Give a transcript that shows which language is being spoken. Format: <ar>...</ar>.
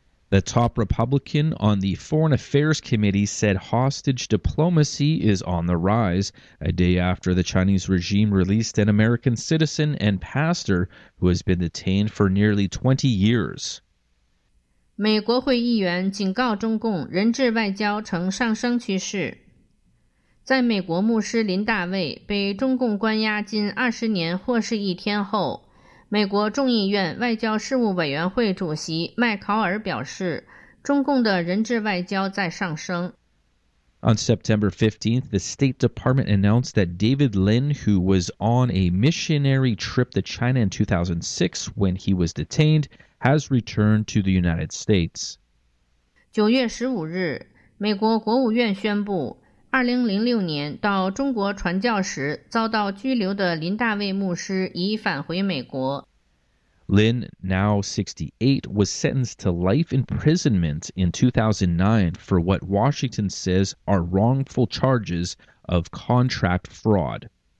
<en>The top Republican on the Foreign Affairs Committee said hostage diplomacy is on the rise, a day after the Chinese regime released an American citizen and pastor who has been detained for nearly 20 years.</en> <zh>美国会议员警告中共人质外交呈上升趋势。在美国牧师林大卫被中共关押近20年或是一天后，美国众议院外交事务委员会主席麦考尔表示，中共的人质外交在上升。</zh> <en>On September 15th, the State Department announced that David Lin, who was on a missionary trip to China in 2006 when he was detained, has returned to the United States.</en> <zh>9月15日，美国国务院宣布2006年到中国传教时遭到拘留的林大卫牧师已返回美国。</zh> <en>Lin, now 68, was sentenced to life imprisonment in 2009 for what Washington says are wrongful charges of contract fraud.</en>